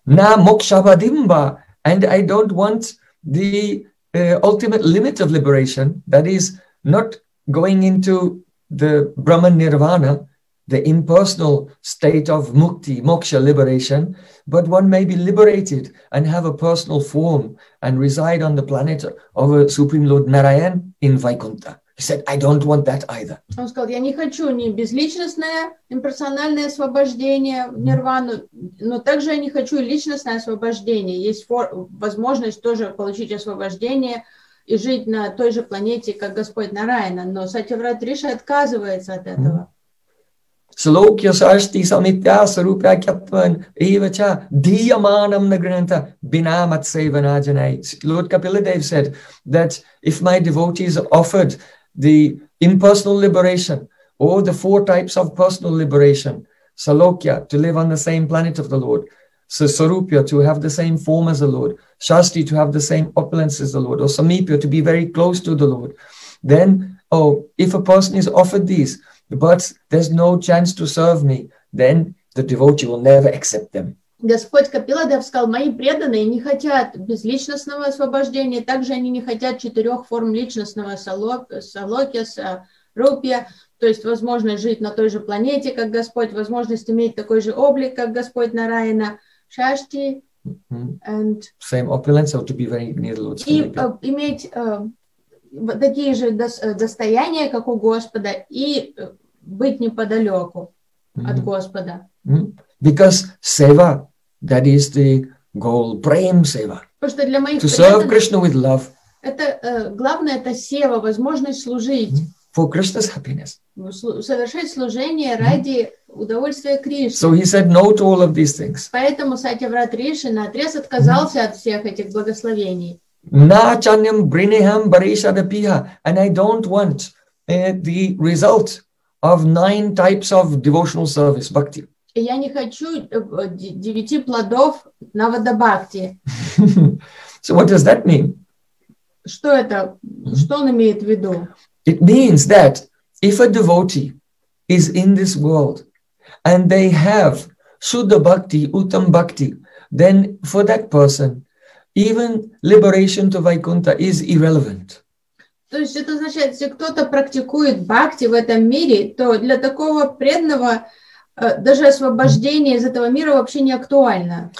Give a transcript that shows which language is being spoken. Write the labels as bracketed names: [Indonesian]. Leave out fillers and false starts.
[Sanskrit] На мокшавадимба, [English] and I don't want the ultimate limit of liberation, that is not going into the Brahman Nirvana, the impersonal state of mukti, moksha, liberation, but one may be liberated and have a personal form and reside on the planet of a Supreme Lord Narayan in Vaikuntha. He said, I don't want that either. [Russian] Он сказал, я не хочу ни безличностное, имперсональное освобождение в нирвану, но также я не хочу личностное освобождение. Есть возможность тоже получить освобождение и жить на той же планете, как Господь Нараяна, но Сатьяврата Риши отказывается от этого. [Sanskrit] Слокья сашти самитя сарупя кьяттван ива ча дийяманам награнта бинамат сейванаджанай. [English] Lord Kapiladev said that if my devotees are offered the impersonal liberation or the four types of personal liberation, salokya, to live on the same planet of the Lord, so sarupya, to have the same form as the Lord, shasti, to have the same opulence as the Lord, or samipya, to be very close to the Lord, then, oh, if a person is offered these, but there's no chance to serve me, then the devotee will never accept them. [Russian] Господь Капиладев сказал, мои преданные не хотят безличностного освобождения, также они не хотят четырех форм личностного салокья, сарупья, то есть возможность жить на той же планете, как Господь, возможность иметь такой же облик, как Господь Нараяна, шашти, and [English] same opulence, or to be very near the Lord. [Russian] И иметь такие же достояния, как у Господа, и быть неподалеку от Господа. [English] Because seva, that is the goal, prem seva. [Russian] Просто для моих [English] to serve Krishna with love. [Russian] Это главное, это сева, возможность служить. [English] For Krishna's happiness. [Russian] Совершать служение ради удовольствия Кришны. [English] So he said no to all of these things. [Russian] Поэтому Сатьяврата Риши наотрез отказался от всех этих благословений. [Sanskrit] На чанням бринехам барешадапиха, [English] and I don't want the result of nine types of devotional service, bhakti. [Russian] Я не хочу девяти плодов навадабхакти. [English] So what does that mean? [Russian] Что это? Что он имеет в виду? [English] It means that if a devotee is in this world and they have shuddha bhakti, uttam bhakti, then for that person, even liberation to Vaikuntha is irrelevant. [Russian] То есть это означает, если кто-то практикует бхакти в этом мире, то для такого преданного даже освобождение из этого мира вообще не актуально.